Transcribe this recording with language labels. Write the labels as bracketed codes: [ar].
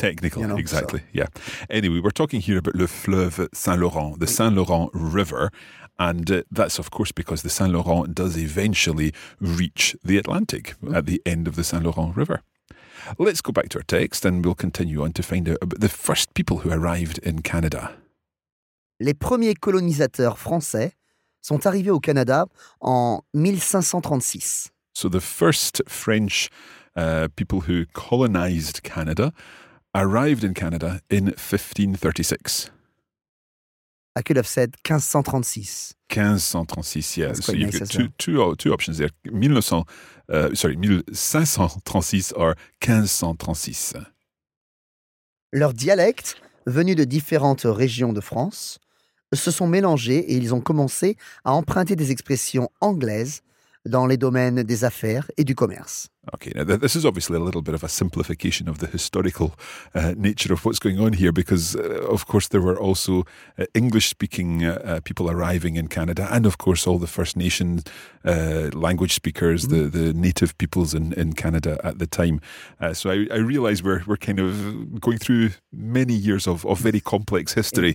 [en] Technical, you know? Exactly. So. Yeah. Anyway, we're talking here about [fr] le fleuve Saint-Laurent, [en] the Saint-Laurent River. And that's, of course, because the Saint-Laurent does eventually reach the Atlantic at the end of the Saint-Laurent River. Let's go back to our text and we'll continue on to find out about the first people who arrived in Canada. [fr] Les premiers colonisateurs français sont arrivés au Canada en 1536. [en] So the first French people who colonized Canada arrived in Canada in 1536. I could have said 1536. 1536, yes. Yeah. So you've got two options there. 1536 or 1536. [fr] Leur dialecte, venu de différentes régions de France, se sont mélangés et ils ont commencé à emprunter des expressions anglaises dans les domaines des affaires et du commerce. [en] Okay, now this is obviously a little bit of a simplification of the historical nature of what's going on here, because of course there were also English-speaking people arriving in Canada, and of course all the First Nations language speakers, mm-hmm. the native peoples in Canada at the time. So I realize we're kind of going through many years of very complex history.